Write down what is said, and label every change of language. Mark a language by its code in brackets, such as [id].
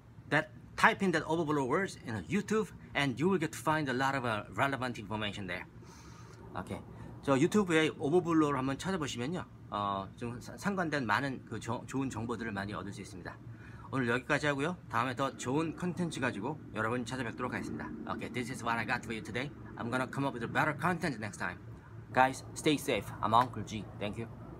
[en] That type in that overblow words in YouTube, and you will get to find a lot of relevant information there. Okay. [ko] 저 유튜브에 오버블로우를 한번 찾아보시면요. 좀 상관된 많은 그 좋은 정보들을 많이 얻을 수 있습니다. 오늘 여기까지 하고요. 다음에 더 좋은 컨텐츠 가지고 여러분 찾아뵙도록 하겠습니다. [en] Okay, this is what I got for you today. I'm gonna come up with a better content next time. Guys, stay safe. I'm Uncle G. Thank you.